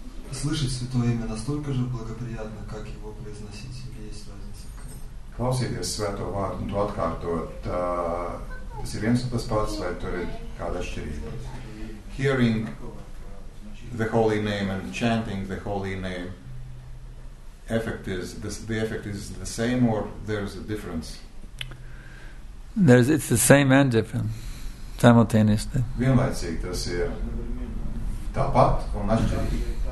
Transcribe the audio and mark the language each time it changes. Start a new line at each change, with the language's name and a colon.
Russian: Слышать святое имя настолько же благоприятно, как его произносить, или есть разница?
Latvian: Klausīties svēto vārdu un to atkārtot, tas ir viens un tas pats, vai tur ir kāda šķirība?
English: Hearing the holy name and chanting the holy name, effect is the effect is the same, or there's a difference? It's the same and different, simultaneously.
Latvian: Vienlaicīgi tas ir tāpat un atšķirīgi.